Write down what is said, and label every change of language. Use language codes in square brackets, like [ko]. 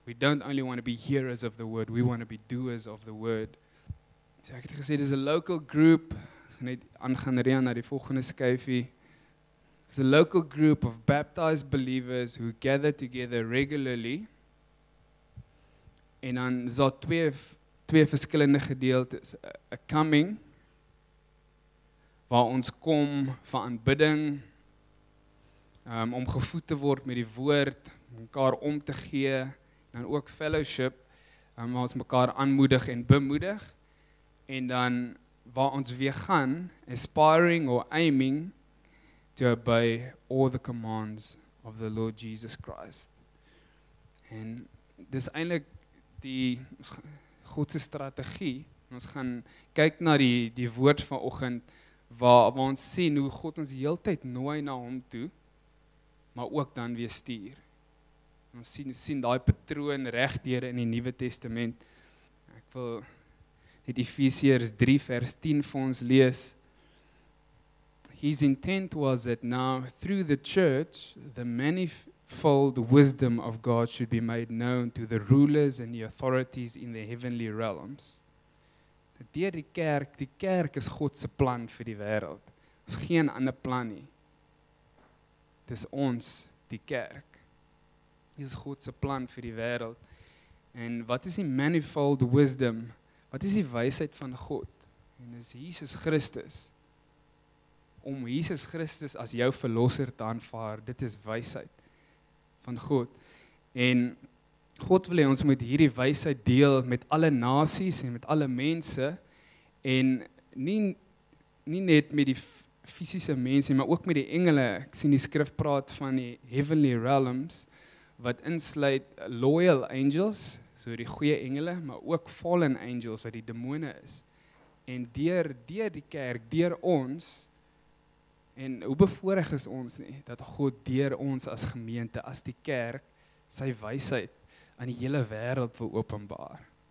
[en] We don't only want to be hearers of the word, we want to be doers of the word. [af] So ek het gesê, dis 'n [en] local group, [af] net aangaan reë na die volgende skyfie. [en] It's a local group of baptized believers who gather together regularly. [af] En dan is daar twee verskillende gedeeltes. [en] A coming, [af] waar ons kom vir aanbidding, om gevoed te word met die woord, mekaar om te gee, en dan ook fellowship, waar ons mekaar aanmoedig en bemoedig. En dan waar ons weer gaan, [en] aspiring or aiming to obey all the commands of the Lord Jesus Christ. [af] En dis eintlik die God se strategie. Ons gaan kyk na die woord vanoggend waar ons sien hoe God ons heeltyd nooi na hom toe, maar ook dan weer stuur. En ons sien daai patroon regdeur in die Nuwe Testament. Ek wil net Efesiërs 3 vers 10 vir ons lees. [en] His intent was that now through the church the manifold wisdom of God should be made known to the rulers and the authorities in the heavenly realms. [af] Dat deur die kerk is God se plan vir die wêreld. Ons geen ander plan nie. Dis ons, die kerk. Dit is God se plan vir die wêreld. En wat is die [en] manifold wisdom? [af] Wat is die wysheid van God? En dis Jesus Christus. Om Jesus Christus as jou verlosser te aanvaar, dit is wysheid van God. En God wil hê ons moet hierdie wysheid deel met alle nasies en met alle mense en nie net met die fisiese mense, maar ook met die engele. Ek sien die skrif praat van die [en] heavenly realms [af] wat insluit [en] loyal angels, [af] so die goeie engele, maar ook [en] fallen angels [af] wat die demone is. En deur die kerk, deur ons. En hoe bevoorreg is ons nie, dat God deur ons as gemeente, as die kerk, sy wysheid aan die hele wêreld wil openbaar.